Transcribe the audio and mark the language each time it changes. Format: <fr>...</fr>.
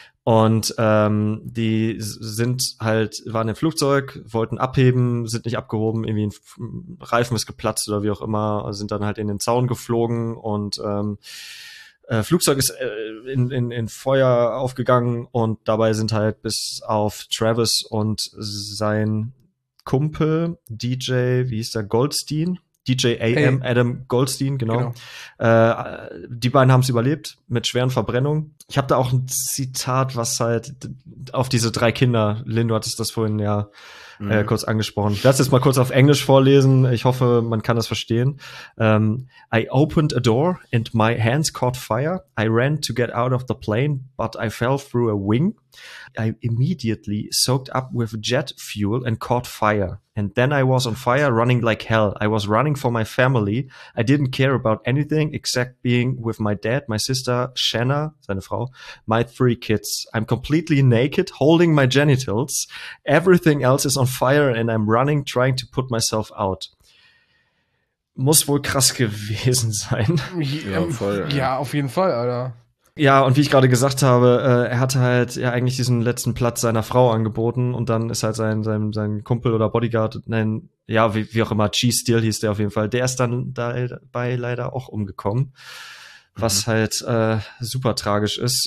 <de>Und die sind halt, waren im Flugzeug, wollten abheben, sind nicht abgehoben, irgendwie ein Reifen ist geplatzt oder wie auch immer, sind dann halt in den Zaun geflogen und Flugzeug ist in Feuer aufgegangen und dabei sind halt bis auf Travis und sein Kumpel DJ, wie hieß der, Goldstein, DJ AM, hey. Adam Goldstein, genau. Die beiden haben es überlebt mit schweren Verbrennungen. Ich habe da auch ein Zitat, was halt auf diese drei Kinder, Lin, du hattest das vorhin ja kurz angesprochen. Lass es mal kurz auf Englisch vorlesen. Ich hoffe, man kann das verstehen.</de> <en>I opened a door and my hands caught fire. I ran to get out of the plane, but I fell through a wing. I immediately soaked up with jet fuel and caught fire. And then I was on fire running like hell. I was running for my family. I didn't care about anything except being with my dad, my sister, Shanna,</en> <de>seine Frau,</de> <en>my three kids. I'm completely naked, holding my genitals. Everything else is on fire and I'm running, trying to put myself out.</en> <de>Muss wohl krass gewesen sein. Ja, voll, ja, auf jeden Fall, Alter. Ja, und wie ich gerade gesagt habe, er hatte halt ja eigentlich diesen letzten Platz seiner Frau angeboten und dann ist halt sein Kumpel oder Bodyguard, wie auch immer, Cheese Steel hieß der auf jeden Fall, der ist dann dabei leider auch umgekommen, was halt super tragisch ist.</de>